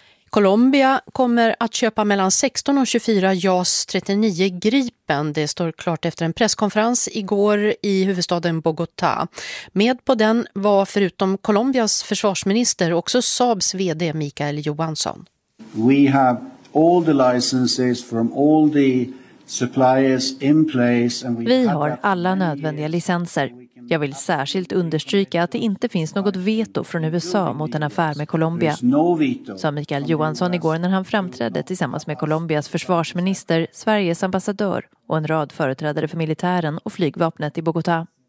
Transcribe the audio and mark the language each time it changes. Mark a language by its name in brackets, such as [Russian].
[Swedish] Colombia kommer att köpa mellan 16 och 24 JAS 39 Gripen. Det står klart efter en presskonferens igår i huvudstaden Bogotá. Med på den var förutom Colombias försvarsminister också Saabs vd Mikael Johansson. [English] We have all the licenses from all the suppliers in place. [Swedish] Vi har alla nödvändiga licenser. Jag vill särskilt understryka att det inte finns något veto från USA mot en affär med Colombia, sa Mikael Johansson igår när han framträdde tillsammans med Colombias försvarsminister, Sveriges ambassadör och en rad företrädare för militären och flygvapnet i Bogotá.